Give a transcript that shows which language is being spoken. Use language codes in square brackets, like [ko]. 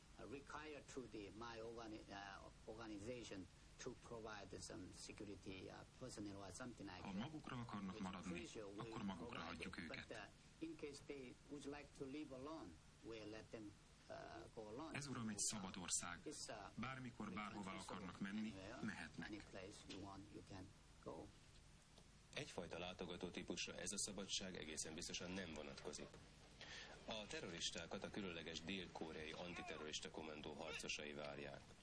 [en] Required to the my organization to provide some security personnel or something like that. [hu] Ha magukra akarnak maradni, akkor magukra hagyjuk őket. [en] In case they would like to leave alone, we let them go alone. [hu] Ez uram egy szabad ország. Bármikor, bárhova akarnak menni, mehetnek. [en] Any place you want, you can go. [hu] Egyfajta látogató típusra ez a szabadság egészen biztosan nem vonatkozik. A terroristákat a különleges dél-koreai antiterrorista kommandó harcosai várják.